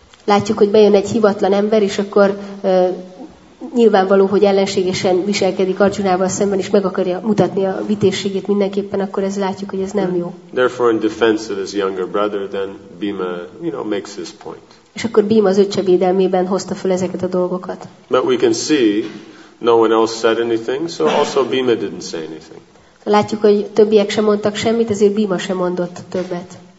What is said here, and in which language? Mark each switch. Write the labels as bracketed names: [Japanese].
[Hungarian] Látjuk, hogy bejön egy hivatlan ember, és akkor nyilvánvaló, hogy ellenségesen viselkedik Arjunával szemben, és meg akarja mutatni a vitézségét mindenképpen, akkor ez látjuk, hogy ez nem jó. [English] Therefore, in defense of his younger brother, then Bhima, you know, makes his point. [Hungarian] És akkor Bhima az öccse védelmében hozta föl ezeket a dolgokat. [English] But we can see, no one else said anything, so also Bhima didn't say anything. [Hungarian] Látjuk, hogy többiek sem mondtak semmit, ezért Bhima sem mondott többet.